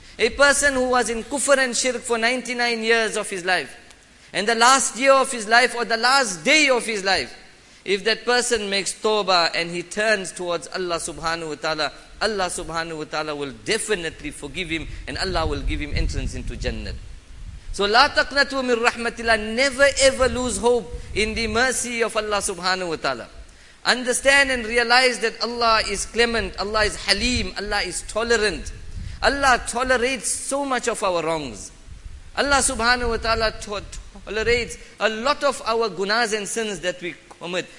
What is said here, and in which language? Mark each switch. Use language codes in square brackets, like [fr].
[en] A person who was in kufr and shirk for 99 years of his life, and the last year of his life or the last day of his life, if that person makes tawbah and he turns towards Allah subhanahu wa ta'ala, Allah subhanahu wa ta'ala will definitely forgive him and Allah will give him entrance into Jannah. [ar] So لا تقنطوا من رحمة الله. [en] Never ever lose hope in the mercy of Allah subhanahu wa ta'ala. Understand and realize that Allah is clement, Allah is haleem, Allah is tolerant. Allah tolerates so much of our wrongs. Allah subhanahu wa ta'ala tolerates a lot of our gunas and sins that we commit.